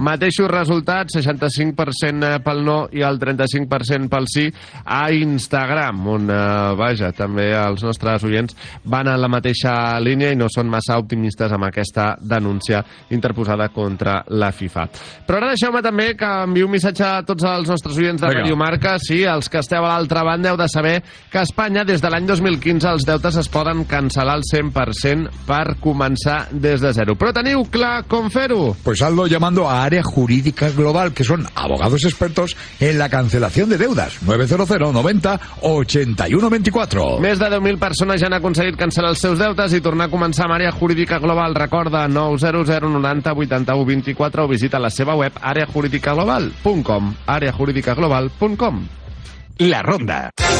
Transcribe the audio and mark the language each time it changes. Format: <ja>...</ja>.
<ca>Mateixos resultats, 65% pel no i el 35% pel sí a Instagram, on, vaja, també els nostres oients van en la mateixa línia i no són massa optimistes amb aquesta denúncia interposada contra la FIFA. Però ara deixeu-me també que envio un missatge a tots els nostres oients de Radio Marca. Sí, els que esteu a l'altra banda heu de saber que a Espanya, des de l'any 2015, els deutes es poden cancel·lar al 100% per començar des de zero. Però teniu clar con Feru.</ca> <es>Pues hazlo llamando a Área Jurídica Global, que son abogados expertos en la cancelación de deudas. 900-90-81-24.</es> <ca>Més de 10.000 persones ja han aconseguit cancel·lar els seus deutes i tornar a començar amb Área Jurídica Global. Recorda 900-90-81-24 o visita la seva web areajuridicaglobal.com. areajuridicaglobal.com. La Ronda.</ca>